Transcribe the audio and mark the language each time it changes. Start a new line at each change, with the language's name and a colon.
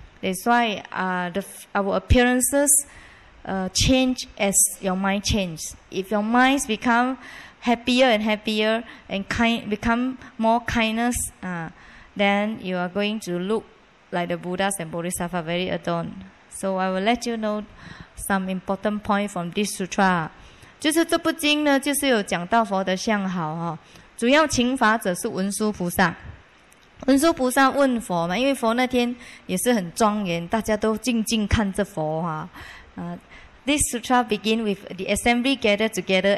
English: That's why our appearances change as your mind changes. If your mind become happier and happier and kind, become more kindness, then you are going to look like the Buddhas and Bodhisattva, very adorned. So I will let you know some important point from this sutra.
Chinese: 就是这部经呢，就是有讲到佛的相好哈。主要请法者是文殊菩萨。文殊菩萨问佛嘛，因为佛那天也是很庄严，大家都静静看着佛哈。
English: This sutra begins with the assembly gathered together.